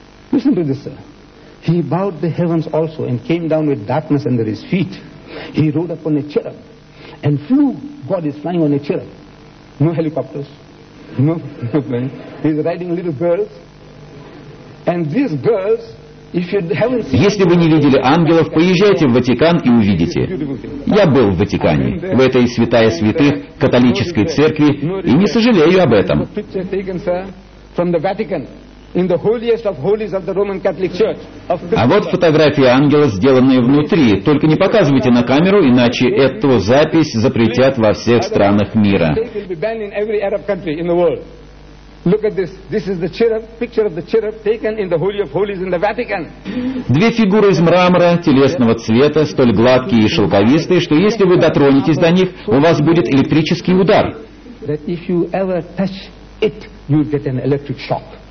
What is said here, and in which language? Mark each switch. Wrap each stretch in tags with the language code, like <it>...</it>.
<en>He bowed the heavens also and came down with darkness under his feet. He rode upon a cherub and flew. God is flying on a cherub. No helicopters. No plane. He's riding little girls. And these girls, if you haven't seen...</en> <ru>Если вы не видели ангелов, поезжайте в Ватикан и увидите. Я был в Ватикане, в этой святая святых католической церкви, и не сожалею об этом.</ru> <en>Picture taken, sir, from the Vatican. In the holiest of holies of the Roman Catholic Church.</en> <ru>А вот фотографии ангела, сделанные внутри. Только не показывайте на камеру, иначе эту запись запретят во всех странах мира.</ru> <en>Look at this. This is the cherub, picture of the cherub taken in the Holy of Holies in the Vatican.</en> <ru>Две фигуры из мрамора телесного цвета, столь гладкие и шелковистые, что если вы дотронетесь до них, у вас будет электрический удар.</ru> <en>That if you ever touch it, you get an electric shock.</en>